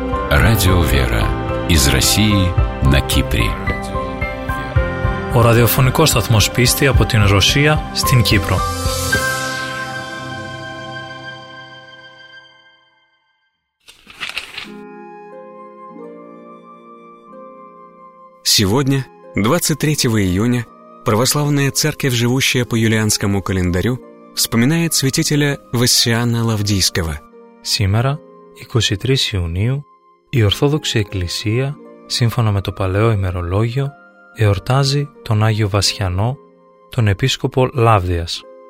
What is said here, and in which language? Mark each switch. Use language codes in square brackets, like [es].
[ru] Радио «Вера» из России на Кипре. [el] Ο ραδιοφωνικός σταθμός πίστη από την Ρωσία στην Κύπρο. [ru] Сегодня, 23 июня, православная церковь, живущая по юлианскому календарю, вспоминает святителя Вассиана Лавдийского. Сегодня, 23 июня, [el] η Ορθόδοξη Εκκλησία, σύμφωνα με το παλαιό ημερολόγιο, εορτάζει τον Άγιο Βασιανό, τον επίσκοπο Λαύδειας.